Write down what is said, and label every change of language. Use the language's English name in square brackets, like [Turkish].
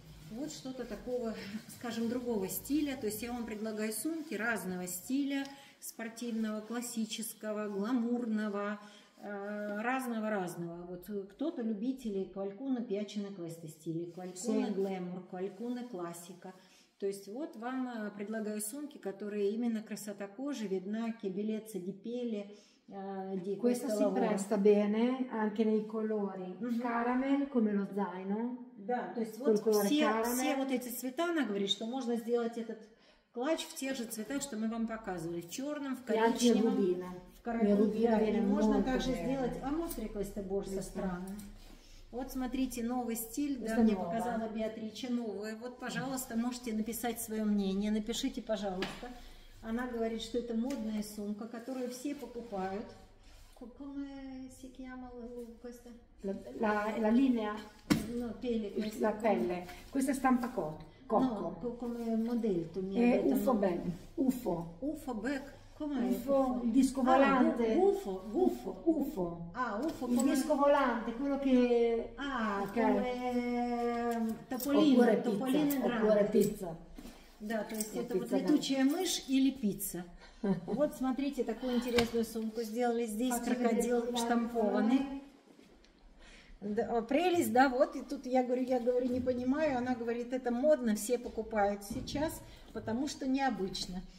[Russian] Вот что-то такого, скажем, другого стиля. То есть я вам предлагаю сумки разного стиля, спортивного, классического, гламурного, разного-разного. Вот кто-то любители квалькуна пиачина квеста стиля, квалькуна глэмур, квалькуна классика. То есть вот вам предлагаю сумки, которые именно красота кожи видна, кебелеца, дипели, дико. [Italian] Questa si presta bene anche nei colori caramel, come lo zaino. [Russian] Да, то есть вот все вот эти цвета, она говорит, что можно сделать этот клатч в тех же цветах, что мы вам показывали, в черном, в коричневом, в карамельном. Можно также сделать. [Italian] А мостри questa borsa strana. [Russian] Вот смотрите, новый стиль, да, мне показала Беатрича, новое. Вот, пожалуйста, можете написать свое мнение, напишите, пожалуйста. Она говорит, что это модная сумка, которую все покупают. Как она называется? [Italian] La linea? No, pelle. La pelle. Questa stampa cocco. No, come modello tu mi hai detto. Bag. UFO. UFO bag. UFO, il disco volante. UFO, UFO, UFO. Ah, UFO, il disco volante, quello che come topolino, oppure topolino pizza, grande. Oppure pizza. [Russian] Да, то есть это вот летучая мышь или пицца. Вот смотрите, такую интересную сумку сделали, здесь крокодил штампованный. Да, прелесть, да, вот, и тут я говорю, не понимаю, она говорит, это модно, все покупают сейчас, потому что необычно.